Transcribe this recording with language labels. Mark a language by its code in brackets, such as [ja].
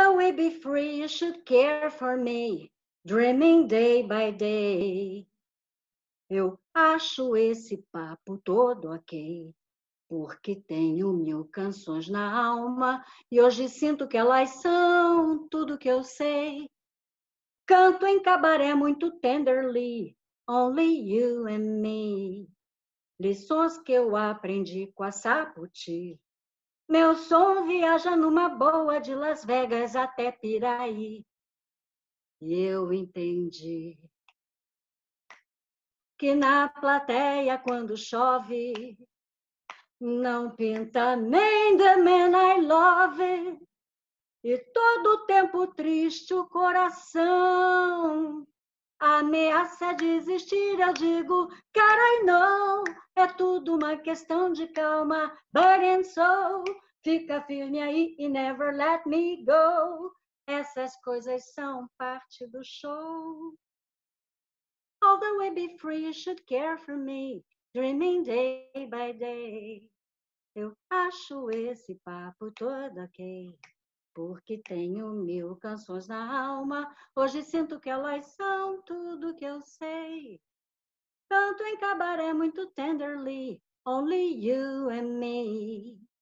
[en] I be free, you should care for me, dreaming day by day. [pt] Eu acho esse papo todo ok, porque tenho mil canções na alma e hoje sinto que elas são tudo que eu sei. Canto em cabaré muito [en] tenderly, only you and me. [pt] Lições que eu aprendi com a Sapote. Meu som viaja numa boa de Las Vegas até Piraí. E eu entendi que na plateia quando chove não pinta nem The Man I Love. E todo tempo triste o coração ameaça desistir. Eu digo, cara, [en] I know, [pt] é tudo uma questão de calma. [en] But and so, [pt] fica firme aí e [en] never let me go. [pt] Essas coisas são parte do show. [en] Although I be free, you should care for me, dreaming day by day. [pt] Eu acho esse papo todo ok, porque tenho mil canções na alma. Hoje sinto que elas são tudo que eu sei. Canto em cabaré muito [en] tenderly, only you and me.